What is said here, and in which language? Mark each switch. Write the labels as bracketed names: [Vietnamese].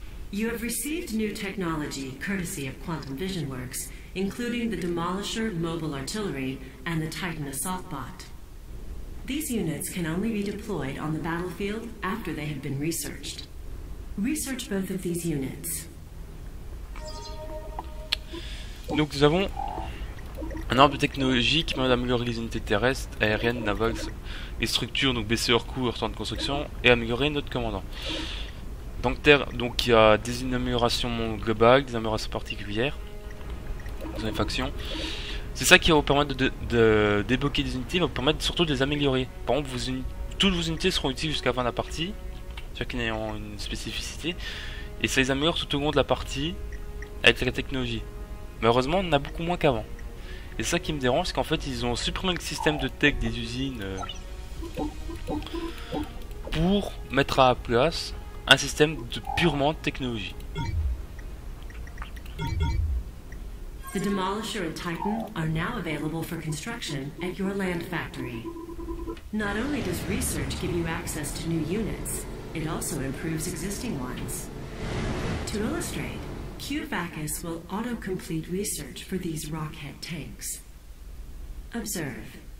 [English] You have received new technology courtesy of Quantum Vision Works, including the Demolisher Mobile Artillery and the Titan Assault Bot. These units can only be deployed on the battlefield after they have been researched. Research both of these units. [French] Donc nous avons un arbre de technologie qui permet d'améliorer les unités terrestres, aériennes, navales, les structures, donc baisser leur coût, leur temps de construction et améliorer notre commandant. Donc terre, donc il y a des améliorations globales, des améliorations particulières dans les factions. C'est ça qui va vous permettre de débloquer des unités, va vous permettre surtout de les améliorer. Par exemple, toutes vos unités seront utiles jusqu'à la fin de la partie. Chacune ayant une spécificité et ça les améliore tout au long de la partie avec la technologie. Malheureusement, on en a beaucoup moins qu'avant. Et ça qui me dérange, c'est qu'en fait, ils ont supprimé le système de tech des usines pour mettre à la place un système de purement technologie. [English] The Demolisher and Titan are now available for construction at your land factory. Not only does research give you access to new units, it also improves existing ones. To illustrate, QVacus will auto-complete research for these rockhead tanks. Observe.